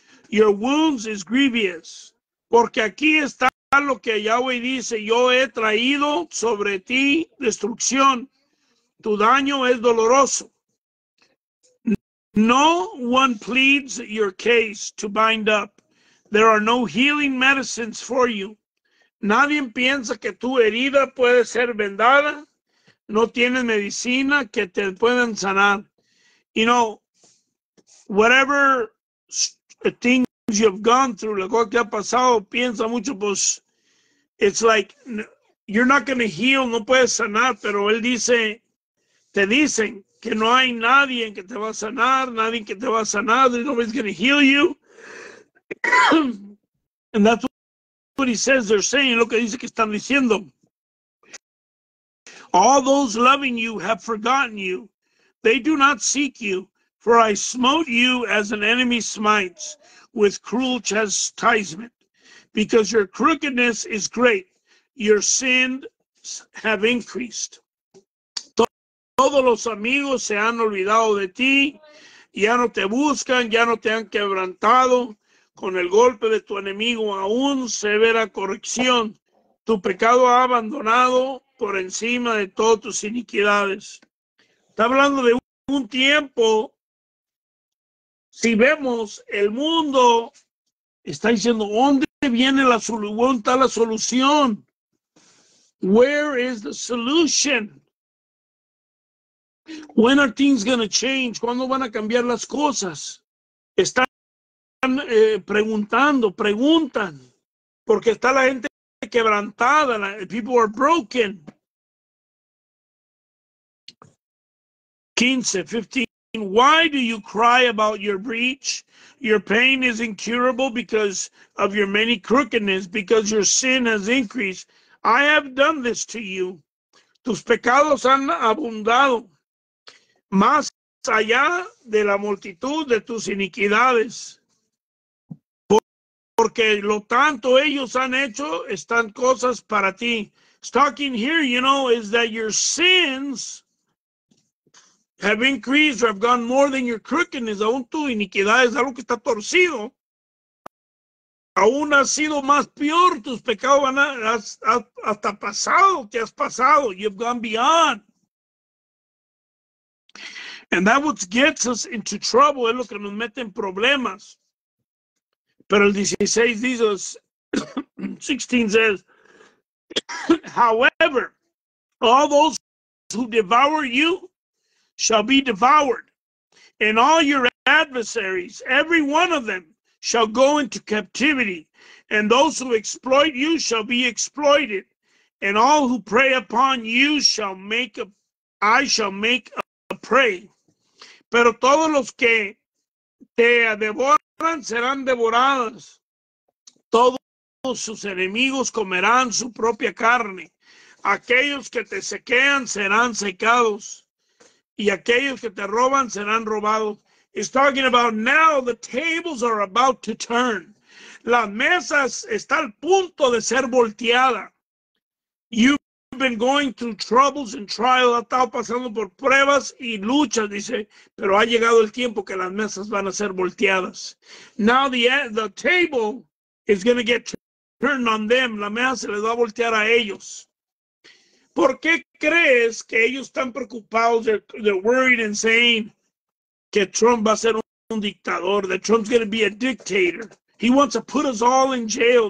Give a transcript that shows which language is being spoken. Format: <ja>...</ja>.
<en>Your wounds is grievous.</en> <es>Porque aquí está lo que Yahweh dice. Yo he traído sobre ti destrucción. Tu daño es doloroso.</es> <en>No one pleads your case to bind up. There are no healing medicines for you.</en> <es>Nadie piensa que tu herida puede ser vendada. No tienes medicina que te puedan sanar.</es> <en>You know, whatever things you have gone through,</en> <es>la cosa que ha pasado, piensa mucho, pues,</es> <en>it's like, you're not going to heal,</en> <es>no puedes sanar, pero él dice, te dicen que no hay nadie que te va a sanar, nadie que te va a sanar,</es> <en>nobody's going to heal you. And that's what he says they're saying,</en> <es>lo que dice que están diciendo.</es> <en>All those loving you have forgotten you. They do not seek you, for I smote you as an enemy smites with cruel chastisement, because your crookedness is great, your sins have increased.</en> <es>Todos los amigos se han olvidado de ti, ya no te buscan, ya no te han quebrantado. Con el golpe de tu enemigo, aún severa corrección. Tu pecado ha abandonado por encima de todas tus iniquidades. Está hablando de un tiempo. Si vemos el mundo, está diciendo, ¿dónde viene la solución? ¿Dónde está la solución?</es> <en>Where is the solution? When are things going to change?</en> <es>¿Cuándo van a cambiar las cosas? Está preguntan porque está la gente quebrantada.</es> <en>People are broken. 15, 15. Why do you cry about your breach? Your pain is incurable because of your many crookedness, because your sin has increased. I have done this to you.</en> <es>Tus pecados han abundado más allá de la multitud de tus iniquidades. Porque lo tanto ellos han hecho están cosas para ti.</es> <en>Talking here, you know, is that your sins have increased or have gone more than your crookedness.</en> <es>Aún tu iniquidad es algo que está torcido. Aún ha sido más peor tus pecados. Hasta pasado, te has pasado.</es> <en>You've gone beyond. And that what gets us into trouble.</en> <es>Es lo que nos mete en problemas. Pero el 16 dice,</es> <en>16 says, however, all those who devour you shall be devoured, and all your adversaries, every one of them, shall go into captivity, and those who exploit you shall be exploited, and all who prey upon you shall make a, I shall make a prey.</en> <es>Pero todos los que te devoran serán devorados. Todos sus enemigos comerán su propia carne. Aquellos que te sequean serán secados. Y aquellos que te roban serán robados.</es> <en>It's talking about now the tables are about to turn.</en> <es>Las mesas están al punto de ser volteada.</es> <en>You've been going through troubles and trials.</en> <es>Ha estado pasando por pruebas y luchas, dice. Pero ha llegado el tiempo que las mesas van a ser volteadas.</es> <en>Now the table is going to get turned on them.</en> <es>La mesa se les va a voltear a ellos. ¿Por qué crees que ellos están preocupados?</es> <en>They're worried and saying</en> <es>que Trump va a ser un dictador.</es> <en>That Trump's going to be a dictator. He wants to put us all in jail.</en>